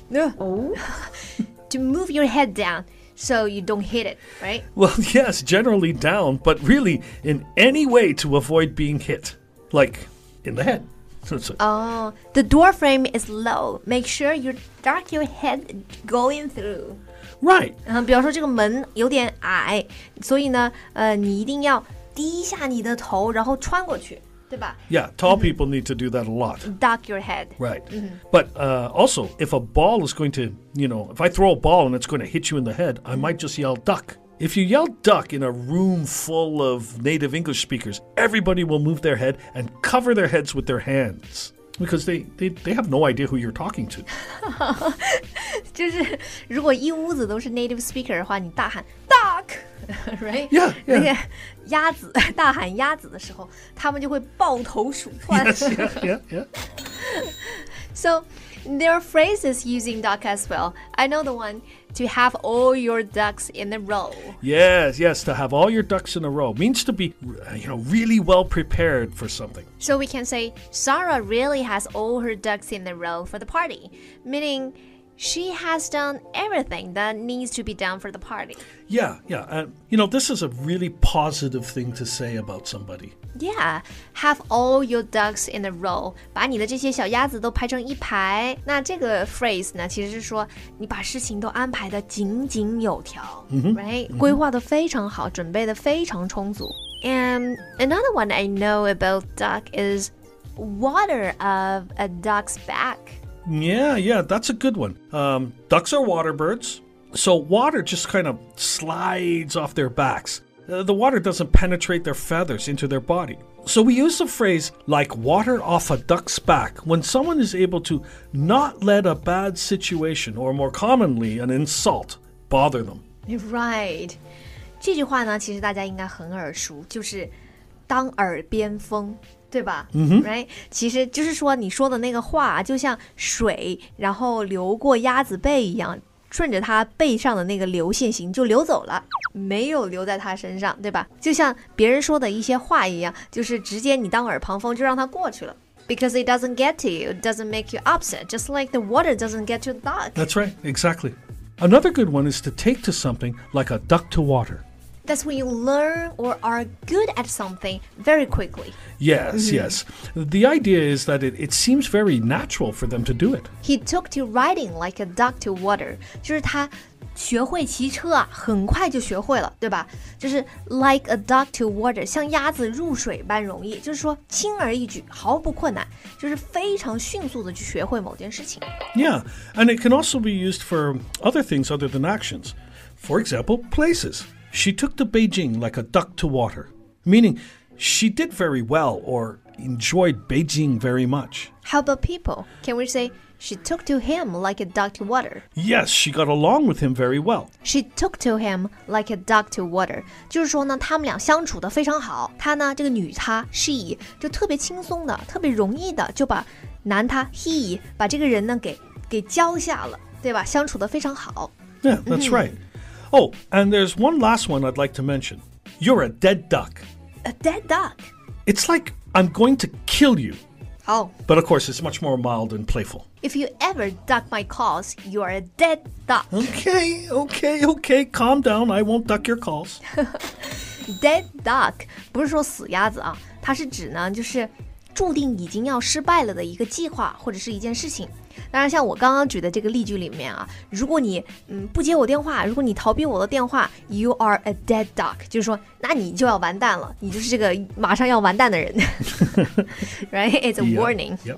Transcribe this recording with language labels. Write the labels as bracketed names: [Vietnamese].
[English] To move your head down so you don't hit it, right? Well, yes, generally down, but really in any way to avoid being hit, like in the head. The door frame is low. Make sure you duck your head going through. Right. [Chinese] 比方说这个门有点矮，所以呢，你一定要低下你的头然后穿过去，对吧？ [English] Yeah, tall people need to do that a lot. Duck your head. Right. But also, if a ball is going to, you know, if I throw a ball and it's going to hit you in the head, I might just yell duck. If you yell duck in a room full of native English speakers, everybody will move their head and cover their heads with their hands. Because they have no idea who you're talking to. [Chinese] 就是如果一屋子都是 native speaker 的话，你大喊 duck。 [English] Right? Yeah. [Chinese] 那些鸭子大喊鸭子的时候，他们就会抱头鼠窜。 [English] Yeah. So, there are phrases using duck as well. I know the one, to have all your ducks in a row. Yes, to have all your ducks in a row means to be, you know, really well prepared for something. So we can say, Sarah really has all her ducks in a row for the party, meaning... She has done everything that needs to be done for the party. Yeah. You know, this is a really positive thing to say about somebody. Yeah, have all your ducks in a row. [Chinese] 把你的这些小鸭子都排成一排。那这个 phrase 呢，其实是说你把事情都安排得井井有条、 [English] right? [Chinese] 规划得非常好，准备得非常充足。 [English] And another one I know about duck is water of a duck's back. Yeah, that's a good one. Ducks are water birds, so water just kind of slides off their backs. The water doesn't penetrate their feathers into their body. So we use the phrase, like water off a duck's back, when someone is able to not let a bad situation, or more commonly, an insult, bother them. Right. [Chinese] 这句话呢，其实大家应该很耳熟，就是当耳边风。对吧、 [English] right? [Chinese] 其实就是说你说的那个话就像水然后流过鸭子背一样顺着他背上的那个流线型就流走了，没有留在他身上，对吧？就像别人说的一些话一样，就是直接你当耳旁风就让他过去了。 [English] Because it doesn't get to you, it doesn't make you upset, just like the water doesn't get to the duck. That's right, exactly. Another good one is to take to something like a duck to water. That's when you learn or are good at something very quickly. Yes, yes. The idea is that it seems very natural for them to do it. He took to riding like a duck to water. [Chinese] 就是他学会骑车啊，很快就学会了，对吧？就是 [English] like a duck to water, [Chinese] 像鸭子入水般容易，就是说轻而易举，毫不困难，就是非常迅速的去学会某件事情。 [English] Yeah, and it can also be used for other things other than actions. For example, places. She took to Beijing like a duck to water, meaning she did very well or enjoyed Beijing very much. How about people? Can we say... She took to him like a duck to water. Yes, she got along with him very well. She took to him like a duck to water. [Chinese] 就是说呢，他们俩相处得非常好。她呢，这个女她 she 就特别轻松的，特别容易的就把男他 he 把这个人呢给交下了，对吧？相处得非常好。 [English] Yeah, that's right. Oh, and there's one last one I'd like to mention. You're a dead duck. A dead duck. It's like I'm going to kill you. Oh. But of course, it's much more mild and playful. If you ever duck my calls, you are a dead duck. Okay, okay, okay. Calm down. I won't duck your calls. [Chinese] Dead duck 不是说死鸭子啊，它是指呢，就是注定已经要失败了的一个计划或者是一件事情。当然，像我刚刚举的这个例句里面啊，如果你不接我电话，如果你逃避我的电话 ， [English] you are a dead duck， [Chinese] 就是说，那你就要完蛋了，你就是这个马上要完蛋的人。 [English] right? It's a warning.